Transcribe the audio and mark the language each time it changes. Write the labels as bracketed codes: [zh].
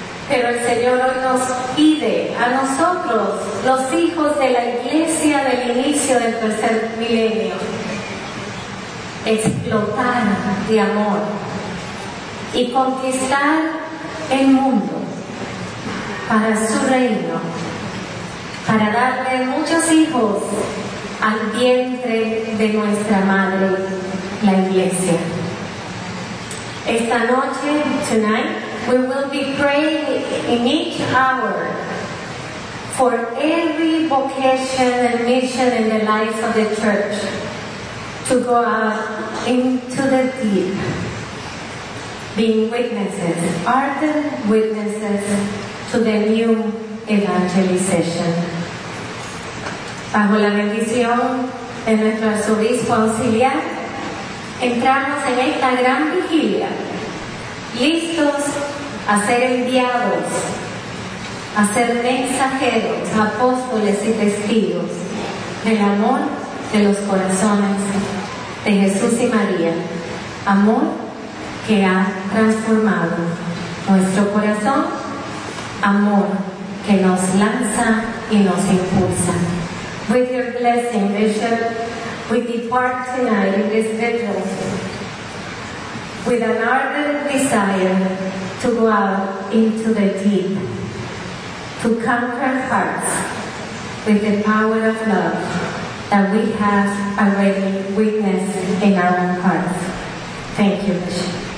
[es] Pero el Señor hoy nos pide a nosotros, los hijos de la iglesia del inicio del tercer milenio, explotar de amor y conquistar el mundo para su reino, para darle muchos hijos al vientre de nuestra madre, la iglesia. Esta noche, [en] tonight, we will be praying in each hour for every vocation and mission in the life of the church to go out into the deep, being witnesses, ardent witnesses to the new evangelization. [es] Bajo la bendición de nuestro arzobispo auxiliar, entramos en esta gran vigilia, listos a ser enviados, a ser mensajeros, apóstoles y testigos del amor de los corazones de Jesús y María, amor que ha transformado nuestro corazón, amor que nos lanza y nos impulsa. [en] With your blessing, Bishop, we depart tonight in this vigil with an ardent desire to go out into the deep, to conquer hearts with the power of love that we have already witnessed in our own hearts. Thank you, Bishop.